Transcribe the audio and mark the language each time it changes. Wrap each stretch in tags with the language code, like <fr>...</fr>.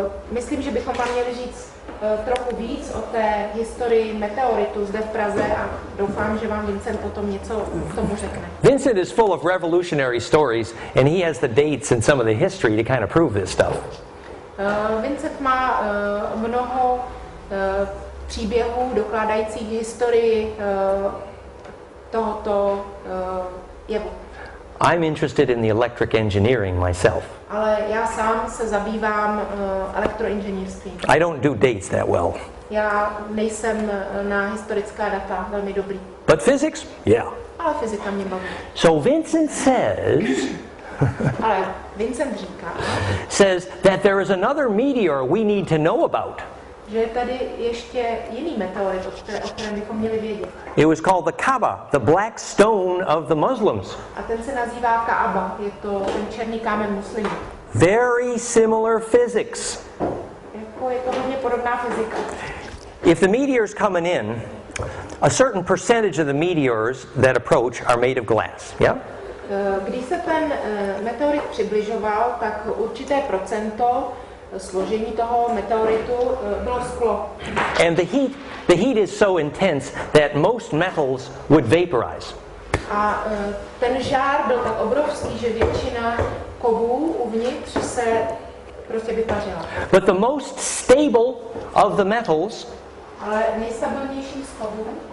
<cs>Myslím, že bychom vám měli říct trochu víc o té historii meteoritu zde v Praze a doufám, že vám Vincent potom něco k tomu řekne.</cs> <en>Vincent is full of revolutionary stories and he has the dates and some of the history to kind of prove this stuff.</en> <cs>Vincent má mnoho příběhů dokládajících historii tohoto jevu.</cs> <en>I'm interested in the electric engineering myself.</en> <cs>Ale já sám se zabývám elektroinženýrstvím.</cs> <en>I don't do dates that well.</en> <cs>Já nejsem na historická data velmi dobrý.</cs> <en>But physics? Yeah.</en> <cs>Ale fyzika mě baví.</cs> <en>So Vincent says</en> <cs>Ale Vincent říká</cs> <en>says that there is another meteor we need to know about.</en> <cs>Že je tady ještě jiný meteorit, o kterém bychom měli vědět.</cs> <en>It was called the Kaaba, the black stone of the Muslims.</en> <cs>A ten se nazývá Kaaba, je to ten černý kámen muslimů.</cs> <en>Very similar physics.</en> <cs>Jako je to hodně podobná fyzika.</cs> <en>If the meteor's coming in, a certain percentage of the meteors that approach are made of glass. Yeah?</en> <cs>Když se ten meteorit přibližoval, tak určité procento složení toho meteoritu bylo sklo.</cs> <en>And the heat is so intense that most metals would vaporize.</en> <cs>A ten žár byl tak obrovský, že většina kovů uvnitř se prostě vypařila.</cs> <en>But the most stable of the metals,</en> <cs>ale nejstabilnější z kovů,</cs>